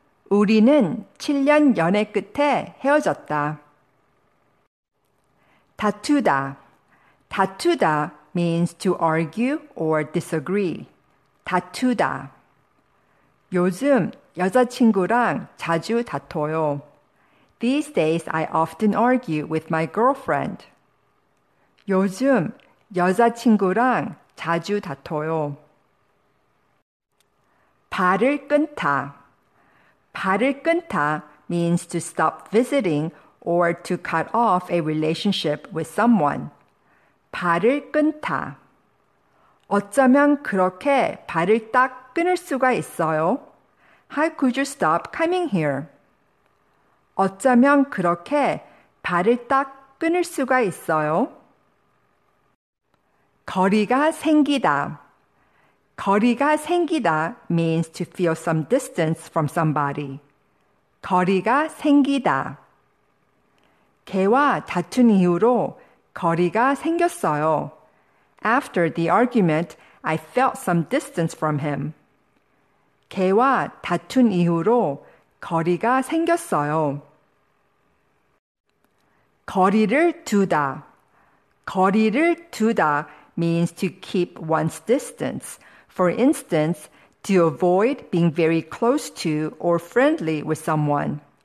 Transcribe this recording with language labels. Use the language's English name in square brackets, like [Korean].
[Korean] 우리는 7년 연애 끝에 헤어졌다. 다투다. 다투다 [English] means to argue or disagree. [Korean] 다투다. 요즘 여자친구랑 자주 다퉈요. [English] These days I often argue with my girlfriend. [Korean] 요즘 여자친구랑 자주 다퉈요. 발을 끊다. 발을 끊다 [English] means to stop visiting or to cut off a relationship with someone. [Korean] 발을 끊다. 어쩌면 그렇게 발을 딱 끊을 수가 있어요? [English] How could you stop coming here? [Korean] 어쩌면 그렇게 발을 딱 끊을 수가 있어요? 거리가 생기다. 거리가 생기다 [English] means to feel some distance from somebody. [Korean] 거리가 생기다. 걔와 다툰 이후로 거리가 생겼어요. [English] After the argument, I felt some distance from him. [Korean] 걔와 다툰 이후로 거리가 생겼어요. 거리를 두다. 거리를 두다 [English] means to keep one's distance. For instance, to avoid being very close to or friendly with someone.